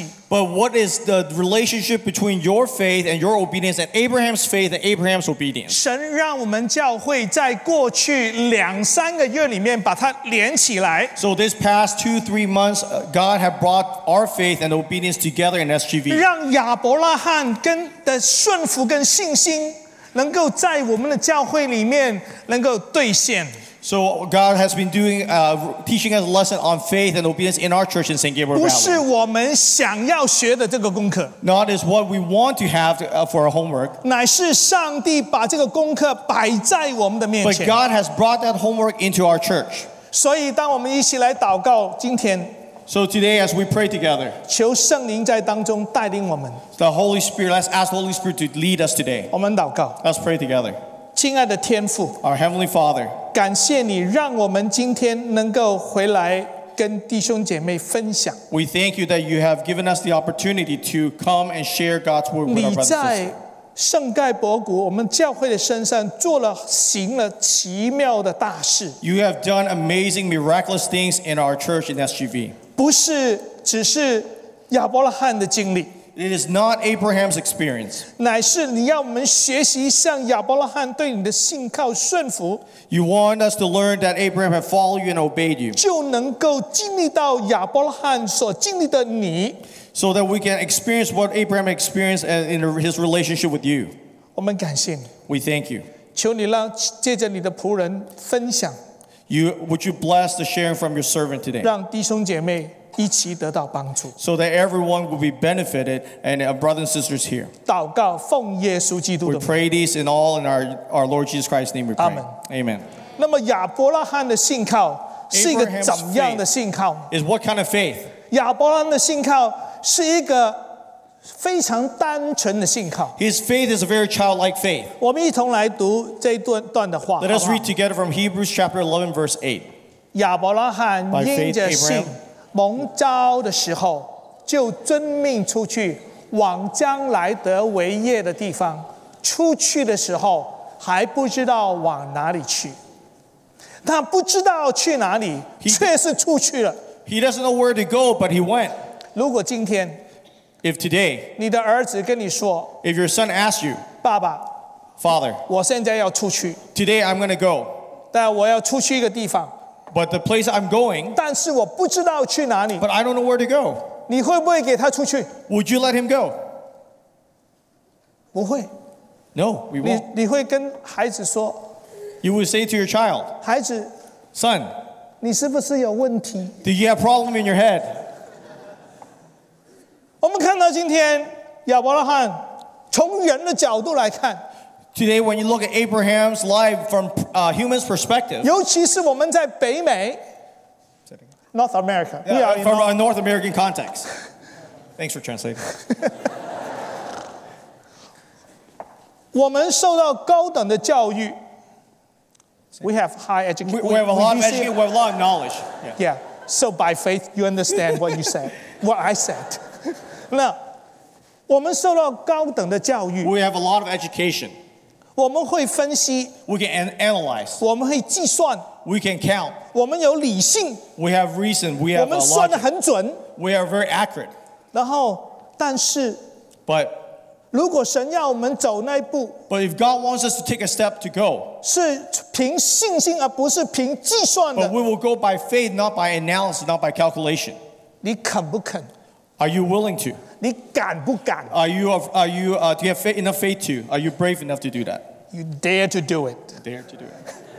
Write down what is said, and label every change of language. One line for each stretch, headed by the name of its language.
English: But what is the relationship between your faith and your obedience and Abraham's faith and Abraham's obedience?
Chinese: 神让我们教会在过去两三个月里面把它连起来。
English: So this past 2-3 months, God have brought our faith and obedience together in SGV.
Chinese: 让亚伯拉罕跟的顺服跟信心能够在我们的教会里面能够兑现。
English: So God has been doing, teaching us a lesson on faith and obedience in our church in St. Gabriel Valley.
Chinese: 不是我们想要学的这个功课。
English: Not is what we want to have for our homework.
Chinese: 乃是上帝把这个功课摆在我们的面前。
English: But God has brought that homework into our church.
Chinese: 所以当我们一起来祷告今天。
English: So today as we pray together.
Chinese: 求圣灵在当中带领我们。
English: The Holy Spirit, let's ask the Holy Spirit to lead us today.
Chinese: 我们祷告。
English: Let's pray together.
Chinese: 亲爱的天父
English: Our Heavenly Father,
Chinese: 感谢你让我们今天能够回来跟弟兄姐妹分享
English: We thank you that you have given us the opportunity to come and share God's word with our brothers
Chinese: 你在圣盖博谷我们教会的身上做了行了奇妙的大事
English: You have done amazing miraculous things in our church in SGV
Chinese: 不是只是亚伯拉罕的经历
English: It is not Abraham's experience.
Chinese: 乃是你要我们学习像亚伯拉罕对你的信靠顺服。
English: You want us to learn that Abraham had followed you and obeyed you.
Chinese: 就能够经历到亚伯拉罕所经历的你。
English: So that we can experience what Abraham experienced in his relationship with you.
Chinese: 我们感谢你。
English: We thank you.
Chinese: 求你让借着你的仆人分享。
English: Would you bless the sharing from your servant today?
Chinese: 让弟兄姐妹。一起得到帮助
English: so that everyone will be benefited and our brothers and sisters here.
Chinese: 祷告奉耶稣基督的名
English: We pray these in all in our Lord Jesus Christ's name we pray. Amen. Amen.
Chinese: 那么亚伯拉罕的信靠是一个怎样的信靠
English: Is what kind of faith?
Chinese: 亚伯拉罕的信靠是一个非常单纯的信靠
English: His faith is a very childlike faith.
Chinese: 我们一同来读这段的话
English: Let us read together from Hebrews chapter 11 verse 8.
Chinese: 亚伯拉罕因着信蒙召的时候，就遵命出去，往将来得为业的地方。出去的时候，还不知道往哪里去。他不知道去哪里，却是出去了。
English: He doesn't know where to go, but he went.
Chinese: 如果今天
English: ，If today，
Chinese: 你的儿子跟你说
English: ，If your son asks you，
Chinese: 爸爸
English: ，Father，
Chinese: 我现在要出去。
English: Today I'm going to go，
Chinese: 但我要出去一个地方。
English: But the place I'm going,
Chinese: 但是我不知道去哪里
English: but I don't know where to go.
Chinese: 你会不会给他出去
English: Would you let him go?
Chinese: 不会
English: No, we won't.
Chinese: 你会跟孩子说
English: You would say to your child,
Chinese: 孩子
English: Son,
Chinese: 你是不是有问题
English: Do you have a problem in your head?
Chinese: 我们看到今天亚伯拉罕从人的角度来看
English: Today, when you look at Abraham's life from a human's perspective,
Chinese: 尤其是我们在北美 North America,
English: yeah, yeah, from a North American context. Thanks for translating.
Chinese: 我们受到高等的教育
English: We have high education. We have a lot of education. We have a lot of knowledge. Yeah. Yeah. So by faith, you understand what you said, what I said. Now,
Chinese: 我们受到高等的教育
English: We have a lot of education.
Chinese: 我们会分析
English: We can analyze.
Chinese: 我们会计算
English: We can count.
Chinese: 我们有理性
English: We have reason. We have a logic.
Chinese: 我们算得很准
English: We are very accurate.
Chinese: 然后但是
English: But
Chinese: 如果神要我们走那一步
English: But if God wants us to take a step to go
Chinese: 是凭信心而不是凭计算的
English: But we will go by faith, not by analysis, not by calculation.
Chinese: 你肯不肯
English: Are you willing to?
Chinese: 你敢不敢
English: do you have faith, enough faith to? Are you brave enough to do that? You dare to do it. Dare to do it.